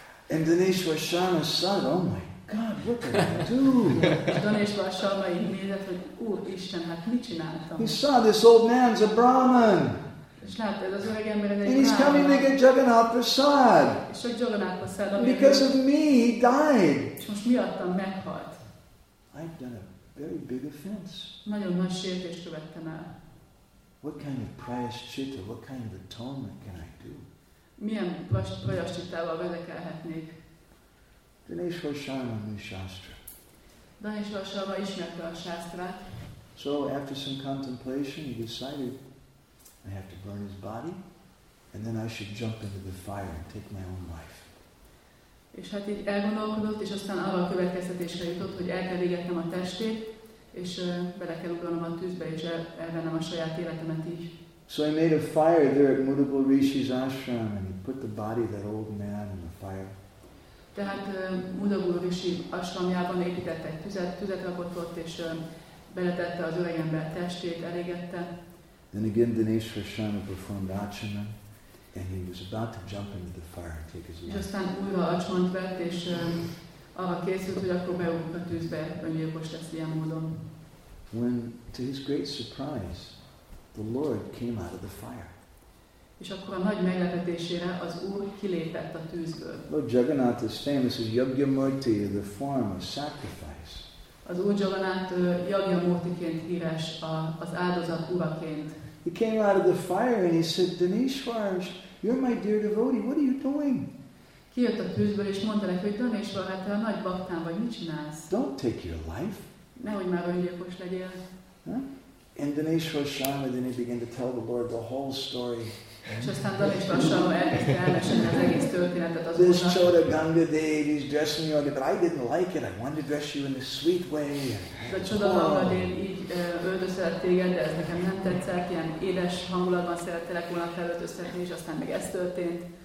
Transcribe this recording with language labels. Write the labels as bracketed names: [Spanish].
[English] And Dhaneshwar Sharma said, oh my God, what did I do? [Hungarian] Dhaneshwar Sharma így nézett, hogy Úr Isten, hát mit csináltam? [English] He saw this old man's a Brahman. And he's coming to get Jagannath Prasad. Because of me, he died. [Hungarian] És most miattam meghalt. [English] I've done a very big offense. [Hungarian] Nagyon nagy sértést követtem el. [English] What kind of prayaschitta, what kind of atonement can I do? [Hungarian] Milyen prayaschittával vedekelhetnék? [English] Dhaneshwar Sharma knew Shastra. [Hungarian] Dhaneshwar Sharma ismerte a sástrát. [English] So after some contemplation, he decided, I have to burn his body, and then I should jump into the fire and take my own life. [Hungarian] És hát így elgondolkodott, és aztán arra a következtetésre jutott, hogy el kell égetnem a testét, és bele kell ugranom a tűzbe, és elvennem a saját életemet így. [English] So he made a fire there at Mudugal Rishi's ashram, and he put the body of that old man in the fire. [Hungarian] Tehát Mudugal Rishi ashramjában épített egy tüzet rakott ott, és beletette az öreg ember testét, elégette. [English] Then again Dhaneshwar Sharma performed achana. And he was about to jump into the fire and take his life. [Hungarian] Aztán újra acsont vett, és arra készült, hogy akkor beugrik a tűzbe, öngyilkos lesz ilyen módon. [English] When, to his great surprise, the Lord came out of the fire. [Hungarian] És akkor a nagy meglepetésére az Úr kilépett a tűzből. [English] Lord Jagannath is famous as Yagyamurti, the form of sacrifice. [Hungarian] Az Úr Jagannath Yagyamurtiként híres, az áldozat uraként. [English] He came out of the fire and he said, Dhaneshwar, you're my dear devotee, what are you doing? [Hungarian] Kijött a tűzből és mondta neki, hogy Dhaneshwar, hát te a nagy baktán vagy, mit csinálsz? [English] Don't take your life. [Hungarian] Nehogy már öngyilkos legyél. Huh? [English] And Dhaneshwar Sharma then he began to tell the Lord the whole story. [Hungarian] És aztán Dhaneshwar Sharma elmesélte az egész történetet az [English] This Chota Ganga Dev, he's dressing you, but I didn't like it, I wanted to dress you in a sweet way. [Hungarian] A Chota Ganga Dev így öltözött téged, de ez nekem nem tetszett, ilyen édes hangulatban szerettelek volna felöltöztetni, és aztán meg ez történt.